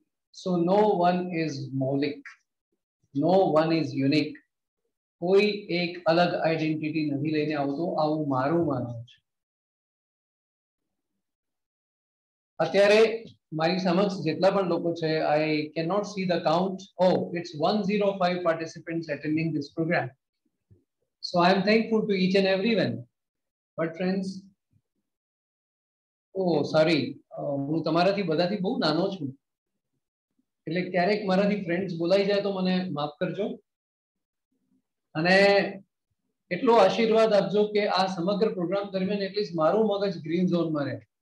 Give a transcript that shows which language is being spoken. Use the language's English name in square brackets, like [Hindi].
[English] so no one is મૌલિક, no one is unique, [Gujarati] કોઈ એક અલગ આઈડેન્ટિટી નથી લઈને આવતો, આવું મારું માનવું છે. અત્યારે મારી સમક્ષ જેટલા પણ લોકો છે, [English] I cannot see the count, oh it's 105 participants attending this program. So I am thankful to each and everyone. But friends, [Gujarati] હું તમારાથી બધાથી બહુ નાનો છું, એટલે ક્યારેક મારાથી ફ્રેન્ડ્સ બોલાઈ જાય તો મને માફ કરજો. અને એટલો આશીર્વાદ આપજો કે આ સમગ્ર પ્રોગ્રામ દરમિયાન એટલીસ્ટ મારું મગજ ગ્રીન ઝોનમાં રહે.